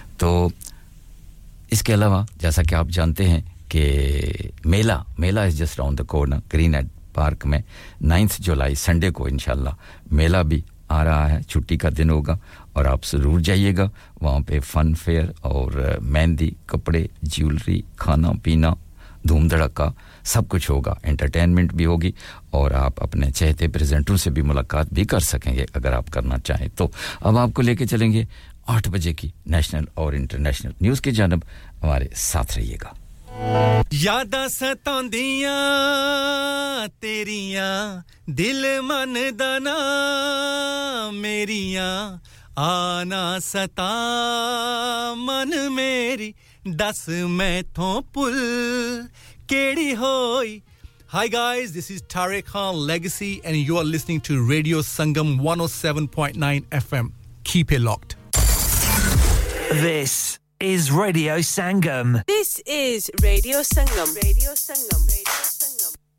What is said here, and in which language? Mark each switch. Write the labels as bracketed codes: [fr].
[hi] To iske alawa jaisa ki aap jante hain ke mela [en] is just around the corner, [hi] Greenhead Park mein, 9th July Sunday ko inshallah mela bhi आ रहा है छुट्टी का दिन होगा और आप जरूर जाइएगा वहां पे फन फेयर और मेहंदी कपड़े ज्वेलरी खाना पीना धूम धड़का सब कुछ होगा एंटरटेनमेंट भी होगी और आप अपने चहेते प्रेजेंटरों से भी मुलाकात भी कर सकेंगे अगर आप करना चाहें तो अब आपको लेके चलेंगे 8 बजे की नेशनल और इंटरनेशनल न्यूज़ की जानिब हमारे साथ रहिएगा [pa] ਯਾਦਾਂ ਸਤਾਉਂਦੀਆਂ ਤੇਰੀਆਂ ਦਿਲ ਮਨ ਦਾ ਨਾ ਮੇਰੀਆਂ ਆਨਾ ਸਤਾ ਮਨ ਮੇਰੀ ਦੱਸ ਮੈਥੋਂ ਪੁੱਲ ਕਿਹੜੀ ਹੋਈ [en] Hi guys, this is Tariq Khan Legacy and you are listening to Radio Sangam 107.9 FM. Keep it locked. This is Radio Sangam. This is Radio Sangam. Radio Sangam.